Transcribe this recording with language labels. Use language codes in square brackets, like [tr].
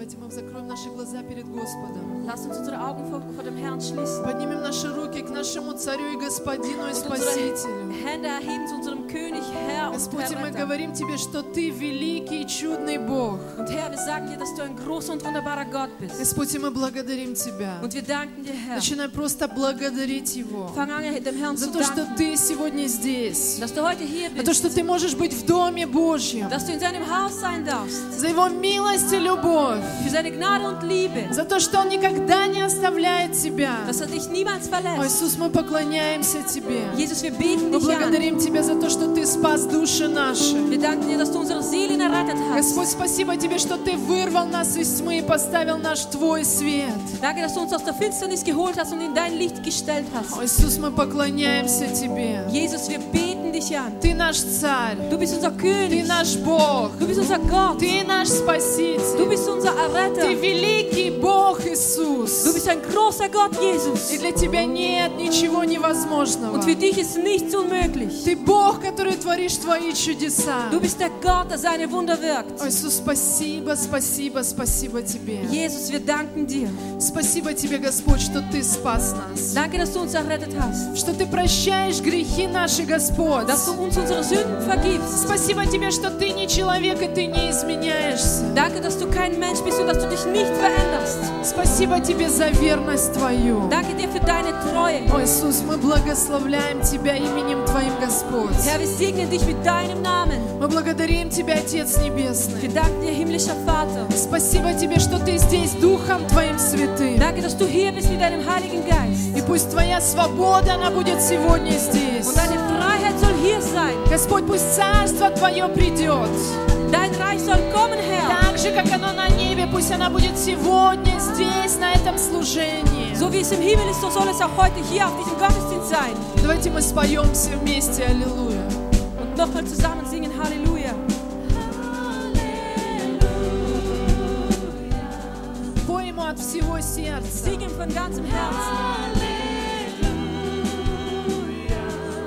[ru] закроем наши глаза перед Господом. [de] Lass uns unsere Augen vor dem Herrn schließen. [ru] Поднимем наши руки к нашему Царю и Господину и Спасителю. [de] Hände erheben zu unserem König, Herr und [ru] Господь, Herr, мы говорим Тебе, что Ты великий и чудный Бог. [de] Und Herr, wir sagen dir, dass du ein großer und wunderbarer Gott bist. [ru] Господь, мы благодарим Тебя. [de] Und wir danken dir, Herr. [ru] Начинай просто благодарить Его. [de] Fang an, dem Herrn [ru] за то, что Ты сегодня здесь. [de] Dass du heute hier bist. [ru] За то, что Ты можешь быть в Доме Божьем. [de] Dass du in seinem Haus sein darfst. [ru] За Его милость и любовь. [de] Für seine Gnade und Liebe. [ru] За то, что Он никогда не оставляет Тебя. [de] Dass er dich niemals verlässt. [ru] О, Иисус, мы поклоняемся Тебе. [de] Jesus, wir beten dich an. [ru] Мы благодарим Тебя за то, что Ты спас души наши. [de] Wir danken dir, dass du unsere Seelen errettet hast. [ru] Господь, спасибо Тебе, что Ты вырвал нас из тьмы и поставил наш Твой свет. [de] Danke, dass du uns aus der Finsternis geholt hast und in dein Licht gestellt hast. [ru] О, Иисус, мы поклоняемся Тебе. [de] Jesus, wir beten dich an. [ru] Ты наш Царь. [de] Du bist unser König. [ru] Ты наш Бог. [de] Du bist unser Gott. [ru] Ты наш Спаситель. [de] Du bist unser Erretter. [ru] Ты великий Бог, Иисус. [de] Du bist ein großer Gott, Jesus. [ru] И для Тебя нет ничего невозможного. [de] Und für dich ist nichts unmöglich. [ru] Ты Бог, который творишь Твои чудеса. [de] Du bist der Gott, der seine Wunder wirkt. [ru] О, Иисус, спасибо, спасибо, спасибо Тебе. [de] Jesus, wir danken dir. [ru] Спасибо Тебе, Господь, что Ты спас нас. [de] Danke, dass du uns errettet hast. [ru] Что Ты прощаешь грехи наши, Господь. [de] Dass du uns unsere Sünden vergibst. [ru] Спасибо Тебе, что Ты не человек и Ты не изменяешься. [de] Danke, dass du kein Mensch bist und dass du dich nicht veränderst. [ru] Спасибо Тебе за верность Твою. [de] Danke dir für deine Treue. [ru] О, Иисус, мы благословляем Тебя именем Твоим, Господь. [de] Herr, wir segnen dich mit deinem Namen. [ru] Мы благодарим Тебя, Отец Небесный. [de] Wir danken dir, himmlischer Vater. [ru] Спасибо Тебе, что Ты здесь Духом Твоим Святым. [de] Danke, dass du hier bist mit deinem Heiligen Geist. [ru] И пусть Твоя свобода, она будет сегодня здесь. [de] Und deine Freiheit soll hier sein. [ru] Господь, пусть Царство Твое придет. [de] Dein Reich soll kommen, Herr. [ru] Так же, как оно на небе, пусть оно будет сегодня здесь, на этом служении. [de] So wie es im Himmel ist, so soll es auch heute hier auf diesem Gottesdienst sein. [ru] Давайте мы споем все вместе Аллилуйя. [de] Und nochmal zusammen singen Halleluja. Halleluja. [ru] Пой ему от всего сердца. [de] Sing ihm von ganzem Herzen.